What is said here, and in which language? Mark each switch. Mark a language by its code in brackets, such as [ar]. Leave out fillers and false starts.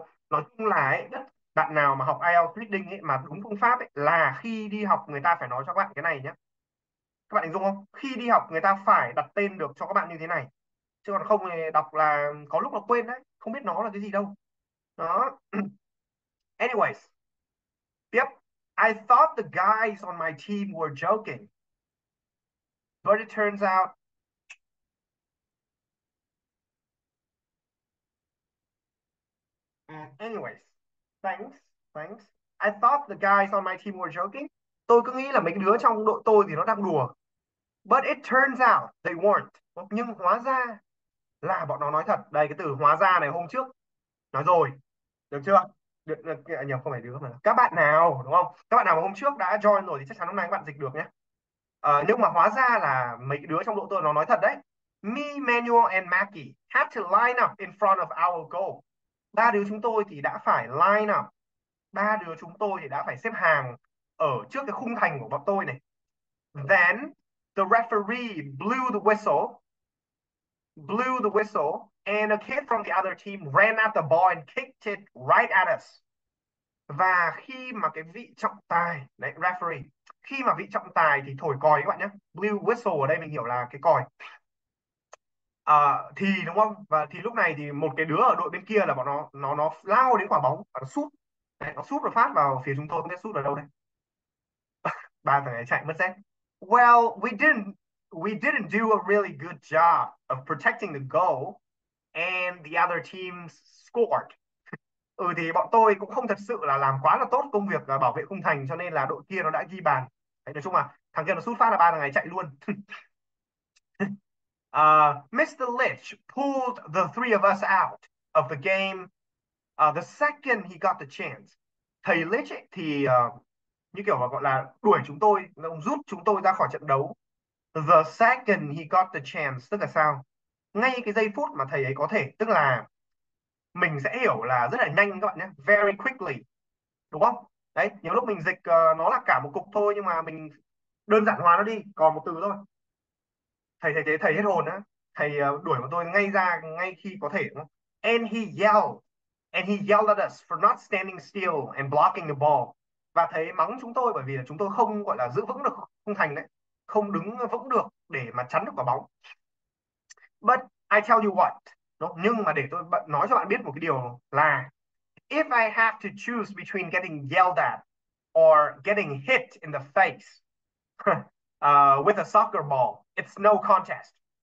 [vi] Nói chung là ấy, bạn nào mà học IELTS reading ấy mà đúng phương pháp ấy, là khi đi học người ta phải nói cho các bạn cái này nhé. Các bạn hình dung không? Khi đi học người ta phải đặt tên được cho các bạn như thế này. Chứ còn không thì đọc là có lúc là quên đấy, không biết nó là cái gì đâu. Đó. Anyways. Tiếp. [en] I thought the guys on my team were joking. But it turns out anyways, thanks, thanks. I thought the guys on my team were joking. [vi] Tôi cứ nghĩ là mấy đứa trong đội tôi thì nó đang đùa. [en] But it turns out they weren't. [vi] Nhưng hóa ra là bọn nó nói thật. Đây cái từ hóa ra này hôm trước nói rồi. Được chưa? Được, nhầm, không phải đứa mà. Các bạn nào, đúng không? Các bạn nào mà hôm trước đã join rồi thì chắc chắn hôm nay các bạn dịch được nhé. Nhưng mà hóa ra là mấy đứa trong đội tôi nó nói thật đấy. [en] Me, Manuel and Mackie had to line up in front of our goal. [vi] Ba đứa chúng tôi thì đã phải line up. Ba đứa chúng tôi thì đã phải xếp hàng ở trước cái khung thành của bọn tôi này. [en] Then the referee blew the whistle and a kid from the other team ran at the ball and kicked it right at us. [vi] Và khi mà cái vị trọng tài, đấy referee, khi mà vị trọng tài thì thổi còi các bạn nhé. Blew whistle ở đây mình hiểu là cái còi. Thì đúng không? Và thì lúc này thì một cái đứa ở đội bên kia là bọn nó lao đến quả bóng và nó sút. Đấy, nó sút rồi phát vào phía chúng tôi, không biết sút ở đâu đây. Ba thằng ấy chạy mất dép. [en] Well, we didn't do a really good job of protecting the goal and the other team scored. [vi] Ừ thì bọn tôi cũng không thật sự là làm quá là tốt công việc là bảo vệ khung thành, cho nên là đội kia nó đã ghi bàn. Đấy, nói chung là thằng kia nó sút phát là ba thằng ấy chạy luôn. [en] Mr. Lynch pulled the three of us out of the game the second he got the chance. [vi] Thầy Lynch ấy, thì như kiểu mà gọi là đuổi chúng tôi, ông rút chúng tôi ra khỏi trận đấu. [en] The second he got the chance, [vi] tức là sao? Ngay cái giây phút mà thầy ấy có thể, tức là mình sẽ hiểu là rất là nhanh các bạn nhé, [en] very quickly, [vi] đúng không? Đấy, nhiều lúc mình dịch nó là cả một cục thôi, nhưng mà mình đơn giản hóa nó đi, còn một từ thôi. Thầy thầy thế thầy hết hồn á, thầy đuổi bọn tôi ngay ra ngay khi có thể. [en] And he yelled at us for not standing still and blocking the ball. [vi] Và thầy ấy mắng chúng tôi bởi vì là chúng tôi không gọi là giữ vững được khung thành đấy, không đứng vững được để mà chắn được quả bóng. [en] But I tell you what, [vi] đúng, nhưng mà để tôi nói cho bạn biết một cái điều là [en] if I have to choose between getting yelled at or getting hit in the face with a soccer ball, it's no contest.